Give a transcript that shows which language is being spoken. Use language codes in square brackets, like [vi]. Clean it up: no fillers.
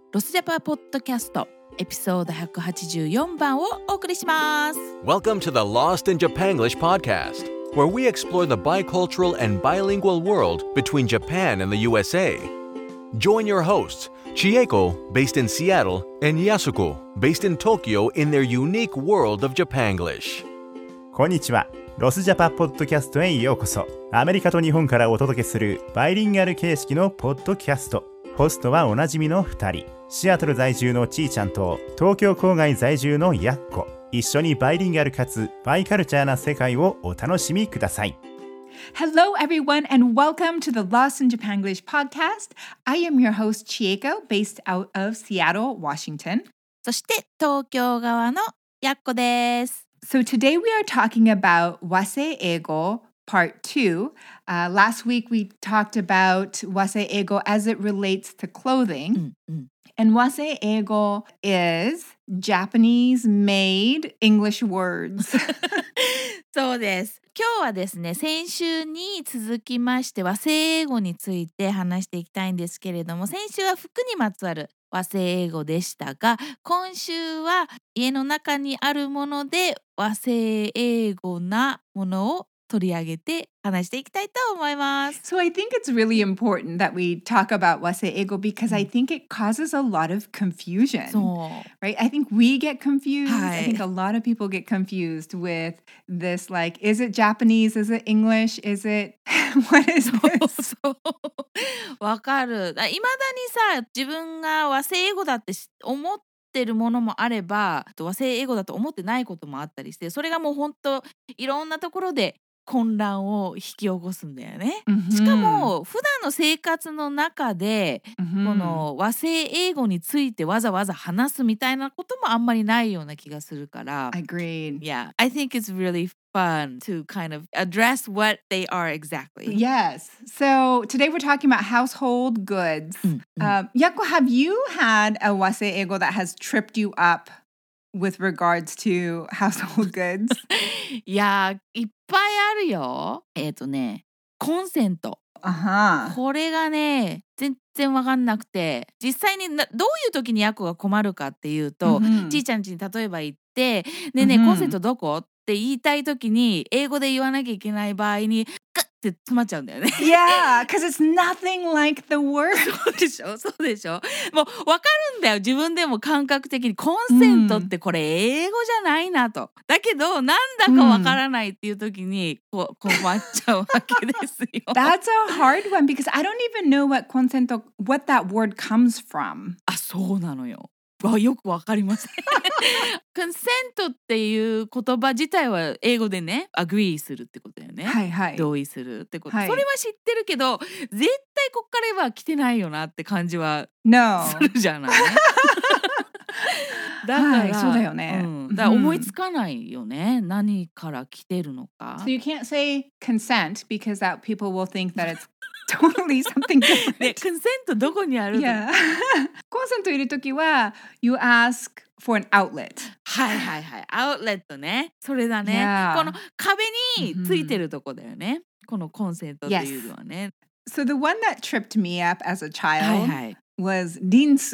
[ja] ロスジャパポッドキャスト、エピソード184番をお送りします。 [en] Welcome to the Lost in Japan English podcast, where we explore the bicultural and bilingual world between Japan and the USA. Join your hosts, Chieko, based in Seattle, and Yasuko, based in Tokyo, in their unique world of Japanglish. [ja] こんにちは。ロスジャパポッドキャストへようこそ。アメリカと日本からお届けするバイリンガル形式のポッドキャスト。ホストはおなじみの2人、シアトル在住のちーちゃんと東京郊外在住のやっこ。一緒にバイリンガルかつバイカルチャーな世界をお楽しみください。 [en] Hello everyone and welcome to the Lost in Japan English podcast. I am your host Chieko, based out of Seattle, Washington. [ja] そして東京側のやっこです。 [en] So today we are talking about Wase Eigo Part 2. Last week we talked about Wase Eigo as it relates to clothing. Mm-hmm. And Wase Eigo is Japanese made English words. [ja] そうです。今日はですね、先週に続きまして和製英語について話していきたいんですけれども、先週は服にまつわる和製英語でしたが、今週は家の中にあるもので和製英語なものを取り上げて話していきたいと思います。 [en] So I think it's really important that we talk about 和製英語 because I think it causes a lot of confusion. [ja] そう。 [en] Right? I think we get confused. [ja] はい。 [en] I think a lot of people get confused with this, like, is it Japanese? Is it English? Is it... What is this? [ja] そうそう。わかる。いまだにさ、自分が和製英語だって思ってるものもあれば、和製英語だと思ってないこともあったりして、それがもう本当いろんなところで混乱を引き起こすんだよね。 Mm-hmm. しかも普段の生活の中で、mm-hmm. この和製英語についてわざわざ話すみたいなこともあんまりないような気がするから。 [en] Agreed. Yeah. I think it's really fun to kind of address what they are exactly. Yes. So today we're talking about household goods. Mm-hmm. Yako, have you had a 和製英語 that has tripped you up with regards to household goods? [ja] いやー、いっぱいあるよ。コンセント。 Uh-huh. これがね、全然わかんなくて、実際にどういう時にヤコが困るかっていうと、mm-hmm. ちーちゃん家に例えば行って、ねえねえ、mm-hmm. コンセントどこって言いたい時に、英語で言わなきゃいけない場合に、カッって詰まっちゃうんだよね。 [en] Yeah, because it's nothing like the word. [ja] そうでしょ、そうでしょ。もうわかるんだよ、自分でも感覚的に。コンセントってこれ英語じゃないなと。だけど、なんだかわからないっていう時に、こう困っちゃうわけですよ。 [en] That's a hard one, because I don't even know what コンセント、what that word comes from. [ja] あ、そうなのよ。わ、よくわかりません。コンセントっていう言葉自体は英語でね、アグリーするってことだよね。はいはい。同意するってこと。はい、それは知ってるけど、絶対こっからは来てないよなって感じはするじゃない。 [en] No. [ja] だから、はい、そうだよね。うん、だから思いつかないよね、うん。何から来てるのか。 [en] So you can't say consent because that people will think that it's totally something different. [ja] ね、コンセントどこにあるの、 [en] yeah. [ja] コンセントいるときは、 [en] you ask... For an outlet. [ja] はいはいはい。アウトレットね。それだね。 [en] Yeah. [ja] この壁についてるとこだよね。 Mm-hmm. このコンセントっていうのはね。 [en] Yes. So the one that tripped me up as a child、 [ja] はいはい、 [en] was リンス。